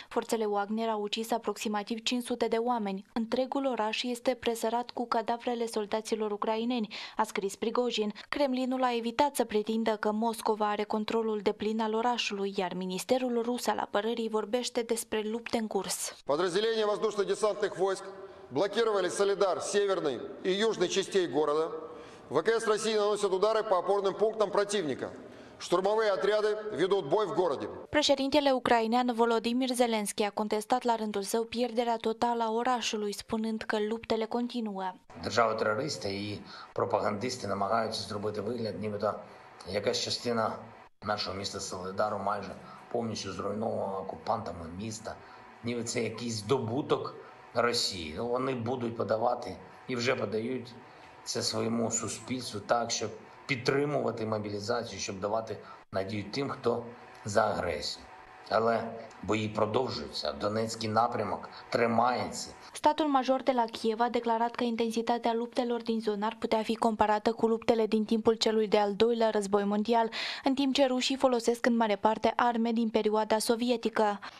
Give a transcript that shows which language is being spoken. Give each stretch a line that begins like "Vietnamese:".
Romanian: Forțele Wagner au ucis aproximativ 500 de oameni. Întregul oraș este presărat cu cadavrele soldaților ucraineni, a scris Prigojin. Kremlinul a evitat să pretindă că Moscova are controlul deplin al orașului, iar Ministerul Rus al Apărării vorbește despre лупте в курс.
Russian: Подразделения воздушно-десантных войск блокировали Солидар, северной и южной частей города. ВКС России наносят удары по опорным пунктам противника. Штурмовые отряды ведут бой в городе.
Romanian: Președintele ucrainean Volodymyr Zelensky a contestat la rândul său pierderea totală a orașului, spunând că luptele continuă.
Ukrainian: Держава терористы и пропагандисты намагаються зробити вигляд, нібито якась частина нашого міста Солидару майже повністю зруйнована окупантами міста. Ніби це якийсь здобуток Росії. Ну, вони будуть подавати і вже подають це своєму суспільству так, щоб підтримувати мобілізацію, щоб давати надію тим, хто за агресію. Але бої продовжуються, Донецький напрямок тримається.
Romanian: Statul major de la Kiev a declarat că intensitatea luptelor din zonă ar putea fi comparată cu luptele din timpul celui de-al doilea război mondial, în timp ce rușii folosesc în mare parte arme din perioada sovietică.